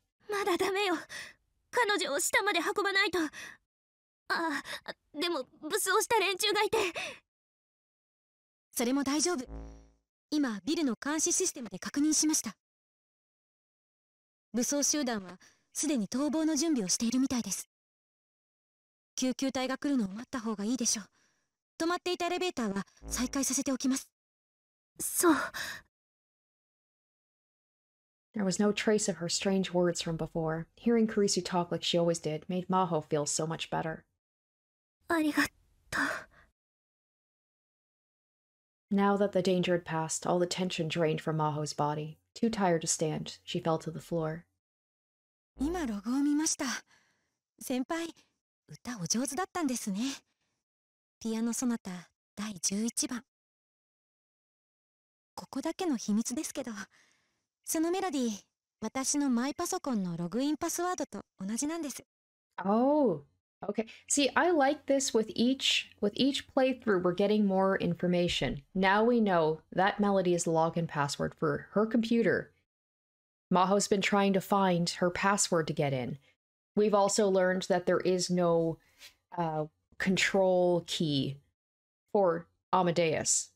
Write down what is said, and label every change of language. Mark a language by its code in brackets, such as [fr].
[ja] まだダメよ。彼女を下まで運ばないと。ああ、でも武装した連中がいて。それも大丈夫。今ビルの監視システムで確認しました。武装集団はすでに逃亡の準備をしているみたいです。救急隊が来るのを待った方がいいでしょう。止まっていたエレベーターは再開させておきます。そう。 [en] There was no trace of her strange words from before. Hearing Kirisu talk like she always did made Maho feel so much better. [ja] ありがとう。 [en] Now that the danger had passed, all the tension drained from Maho's body. Too tired to stand, she fell to the floor. [ja] 今ログを見ました。先輩、歌お上手だったんですね。ピアノソナタ第11番。ここだけの秘密ですけど、そのメロディー、私のマイパソコンのログインパスワードと同じなんです。 [en] Oh, okay. See, I like this with each playthrough, we're getting more information. Now we know that melody is the login password for her computer. Maho's been trying to find her password to get in. We've also learned that there is no control key for Amadeus.